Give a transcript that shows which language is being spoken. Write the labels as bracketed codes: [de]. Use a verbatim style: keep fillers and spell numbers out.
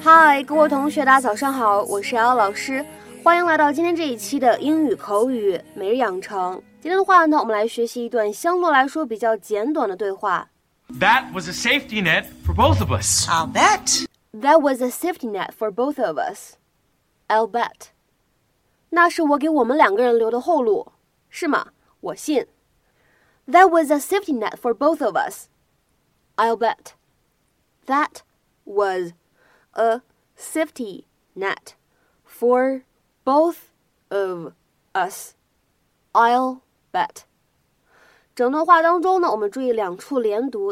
[zh] 嗨，各位同学，大家早上好，我是瑶瑶老师，欢迎来到今天这一期的英语口语每日养成。今天的话呢，我们来学习一段相对来说比较简短的对话。 [en] That was a safety net for both of us. I'll bet. That was a safety net for both of us. I'll bet. [zh] 那是我给我们两个人留的后路，是吗？我信。 [en] That was a safety net for both of us. I'll bet. That was a safety net for both of us. I'll bet. [zh] 整段话当中呢，我们注意两处连读。